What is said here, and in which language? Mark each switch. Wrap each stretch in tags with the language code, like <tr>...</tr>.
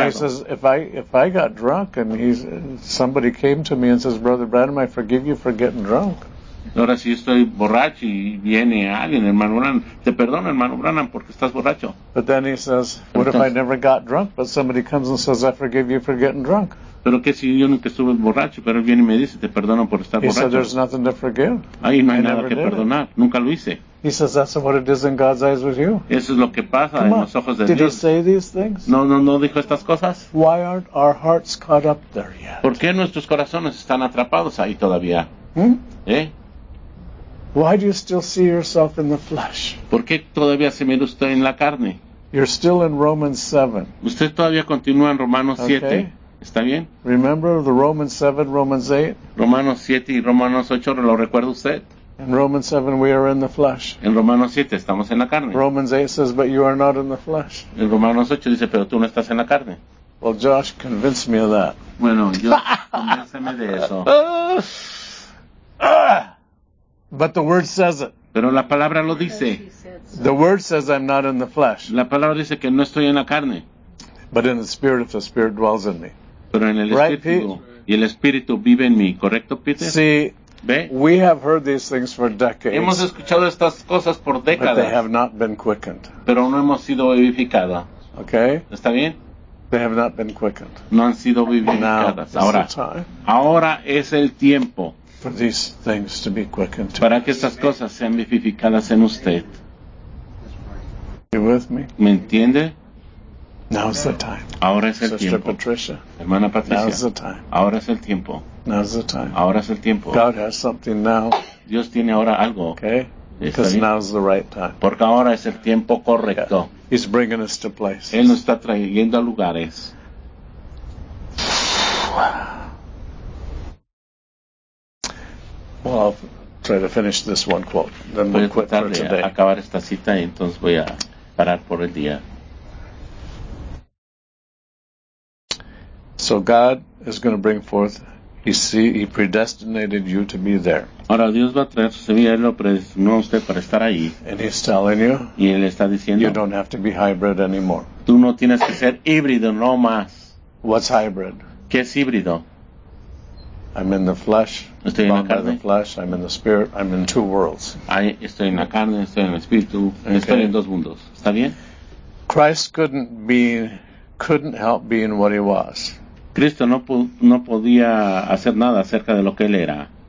<en>Now he says, if I got drunk and somebody came to me and says, Brother Branham, I forgive you for getting drunk.</en> <es>Ahora si estoy borracho y viene alguien, hermano Branham, te perdono, hermano Branham, porque estás borracho.</es> <en>But then he says, what if I never got drunk, but somebody comes and says, I forgive you for getting drunk.</en> <es>Pero que si yo nunca estuve borracho, pero él viene y me dice, te perdono por estar borracho.</es> <en>He said, there's nothing to forgive.</en> <es>Ahí no hay nada que perdonar. Nunca lo hice.</es> <en>He says, that's what it is in God's eyes with you.</en> <es>Eso es lo que pasa en los ojos de</es> <en>Dios. Did he say these things?</en> <es>No dijo estas cosas.</es> <en>Why aren't our hearts caught up there yet?</en> <es>¿Por qué nuestros corazones están atrapados ahí todavía?</es> <en>Why do you still see yourself in the flesh?</en> <es>¿Por qué todavía se mira usted en la carne?</es> <en>You're still in Romans 7.</en> <es>Usted todavía continúa en Romanos 7.</es> <en>Okay.</en> <es>¿Está bien?</es> <en>Remember the Romans 7, Romans 8?</en> <es>Romanos 7 y Romanos 8, ¿lo recuerda usted?</es> <en>In Romans 7 we are in the flesh.</en> <es>En Romanos 7 estamos en la carne.</es> <en>Romans 8 says, but you are not in the flesh.</en> <es>En Romanos 8 dice, pero tú no estás en la carne.</es> <en>Well, Josh, convince me of that.</en> <es>Bueno, yo, convénceme de eso.</es> <en>But the word says it.</en> <es>Pero la palabra lo dice.</es> <en>The word says I'm not in the flesh.</en> <es>La palabra dice que no estoy en la carne.</es> <en>But in the spirit, if the spirit dwells in me.</en> <es>Pero en el espíritu,</es> <en>right,</en> <es>y el espíritu vive en mí, ¿correcto, Peter?</es> <en>See, ¿ve? We have heard these things for decades.</en> <es>Hemos escuchado estas cosas por décadas.</es> <en>But they have not been quickened.</en> <es>Pero no hemos sido vivificadas.</es> <en>Okay.</en> <es>¿Está bien?</es> <en>They have not been quickened.</en> <es>No han sido vivificadas.</es> <en>Now,</en> <es>ahora, ahora es el tiempo.</es> <en>For these things to be quickened.</en> <es>Para que estas cosas sean vivificadas en usted.</es> <en>You with me?</en> <es>¿Me entiende?</es> <en>Now's the time.</en> <es>Ahora es el</es> <en>Sister</en> <es>tiempo.</es> <en>Patricia.</en> <es>Hermana Patricia.</es> <en>Now's the time.</en> <es>Ahora es el tiempo.</es> <en>Now's the time.</en> <es>Ahora es el tiempo.</es> <en>God has something now.</en> <es>Dios tiene ahora algo.</es> <en>Okay? Because now's the right time.</en> <es>Porque ahora es el tiempo correcto.</es> <en>Yeah. He's bringing us to places.</en> <es>Él nos está trayendo a lugares.</es> <en>Well, I'll try to finish this one quote. Then we'll quit for today.</en> <es>Voy a acabar esta cita y entonces voy a parar por el día.</es> <en>So God is going to bring forth, he predestinated you to be there.</en> <es>Ahora Dios va a traer su semilla, él lo predestinó a usted para estar ahí.</es> <en>And he's telling you,</en> <es>y él está diciendo,</es> <en>you don't have to be hybrid anymore.</en> <es>Tú no tienes que ser híbrido, no más.</es> <en>What's hybrid?</en> <es>¿Qué es híbrido?</es> <en>I'm in the flesh,</en> <es>estoy en la carne.</es> <en>The flesh, I'm in the spirit, I'm in two worlds.</en> <es>Ahí estoy en la carne, estoy en el espíritu,</es> <en>okay.</en> <es>Estoy en dos mundos. ¿Está bien?</es> <en>Christ couldn't help being what he was.</en> <es>Cristo no podía hacer nada acerca de lo que él era.</es>